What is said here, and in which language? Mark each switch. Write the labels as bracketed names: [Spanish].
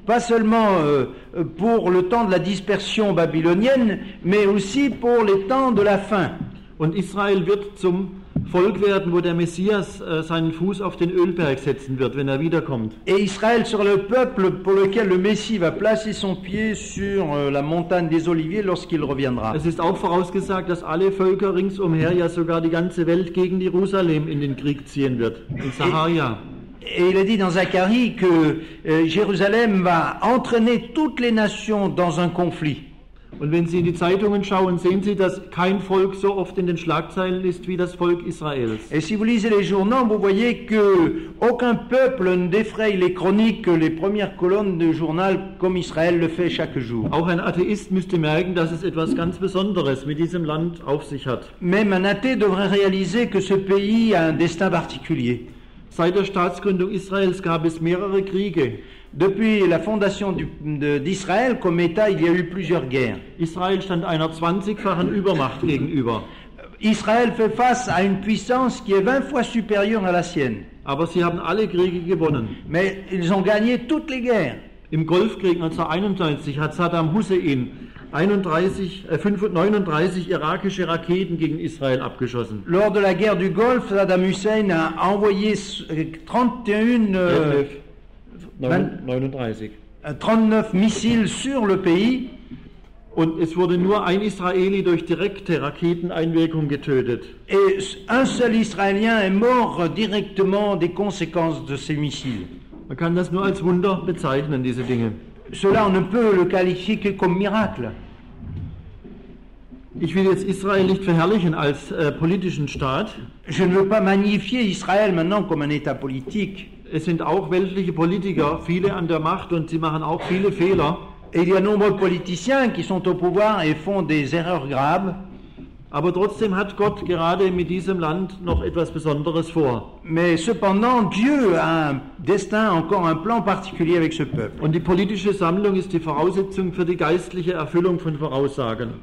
[French] Pas seulement pour le temps de la dispersion babylonienne, mais aussi pour les temps de la fin. [German] Und Israel wird zum Volk werden, wo der Messias seinen Fuß auf den Ölberg setzen wird, wenn er wiederkommt. [French] Et Israël sera le peuple pour lequel le Messie va placer son pied sur la montagne des Oliviers lorsqu'il reviendra. [German] Es ist auch vorausgesagt, dass alle Völker ringsumher, ja sogar die ganze Welt gegen Jerusalem in den Krieg ziehen wird, in Samaria. [French] Et il a dit dans Zacharie que Jérusalem va entraîner toutes les nations dans un conflit. [German] Und wenn Sie in die Zeitungen schauen, sehen Sie, dass kein Volk so oft in den Schlagzeilen ist wie das Volk Israels. [French] Et si vous lisez les journaux, vous voyez que aucun peuple ne défraye les chroniques, les premières colonnes de journal comme Israël le fait chaque jour. [German] Auch ein Atheist müsste merken, dass es etwas ganz Besonderes mit diesem Land auf sich hat. [French] Même un athée devrait réaliser que ce pays a un destin particulier. [German] Seit der Staatsgründung Israels gab es mehrere Kriege. [French] Depuis la fondation d'Israël comme État, il y a eu plusieurs guerres. [German] Israël stand einer 20-fachen Übermacht gegenüber. [French] Israël fait face à une puissance qui est 20 fois supérieure à la sienne. [German] Aber sie haben alle Kriege gewonnen. [French] Mais ils ont gagné toutes les guerres. [German] Im Golfkrieg 1991 hat Saddam Hussein 39 irakische Raketen gegen Israel abgeschossen. [French] Lors de la guerre du Golfe, Saddam Hussein a envoyé 39 missiles sur le pays. [German] Und es wurde nur ein Israeli durch direkte Raketeneinwirkung getötet. [French] Et un seul Israélien est mort directement des conséquences de ces missiles. [German] Man kann das nur als Wunder bezeichnen, diese Dinge. [French] Cela on ne peut le qualifier que comme miracle. [German] Ich will jetzt Israel nicht verherrlichen als politischen Staat. [French] Je ne veux pas magnifier Israël maintenant comme un État politique. [German] Es sind auch weltliche Politiker, viele an der Macht und sie machen auch viele Fehler. [French] Et il y a nombreux politiciens qui sont au pouvoir et font des erreurs graves. [German] Aber trotzdem hat Gott gerade mit diesem Land noch etwas Besonderes vor. [French] Mais cependant, Dieu a un destin, encore un plan particulier avec ce peuple. [German] Und die politische Sammlung ist die Voraussetzung für die geistliche Erfüllung von Voraussagen.